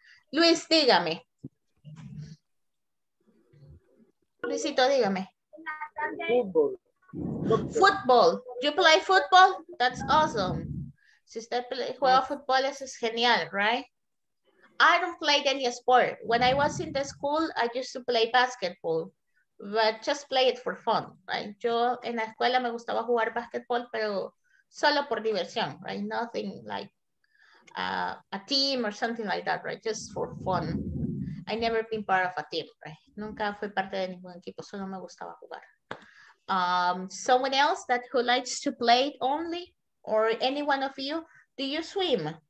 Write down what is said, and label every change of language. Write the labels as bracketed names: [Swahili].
[Spanish] Luis, dígame. Luisito, dígame. Fútbol. [English] Fútbol. You play football? That's awesome. [Spanish] Si usted juega fútbol, eso es genial, [English] right? I don't play any sport. When I was in the school, I used to play basketball. But just play it for fun, right? [Spanish] Yo en la escuela me gustaba jugar basketball, pero solo por diversión, [English] right? Nothing like a team or something like that, right? Just for fun. I never been part of a team, right? [Spanish] Nunca fui parte de ningún equipo, solo me gustaba jugar. [English] Someone else that who likes to play only, or any one of you, do you swim?